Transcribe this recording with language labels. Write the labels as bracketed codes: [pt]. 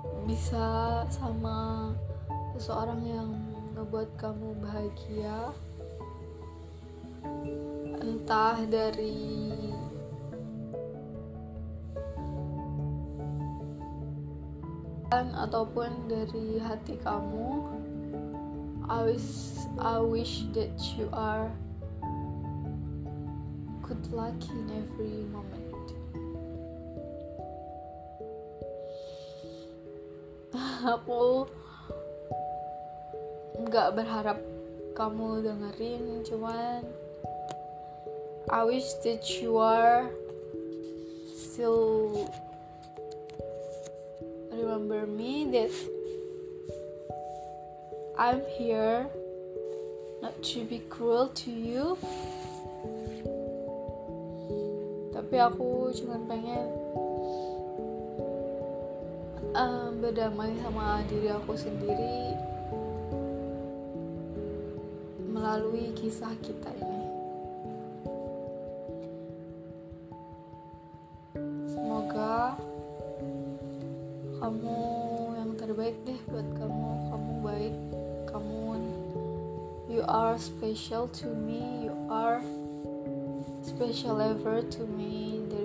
[id] bisa sama seseorang yang ngebuat kamu bahagia, entah dari ataupun dari hati kamu. [en] I wish that you are good luck in every moment. [id] Aku gak berharap kamu dengerin, cuman [en] I wish that you are still remember me, that I'm here not to be cruel to you. [id] Tapi aku cuma pengen berdamai sama diri aku sendiri melalui kisah kita ini. Semoga kamu yang terbaik deh buat kamu. Kamu baik, kamu, [en] you are special to me, you are special ever to me.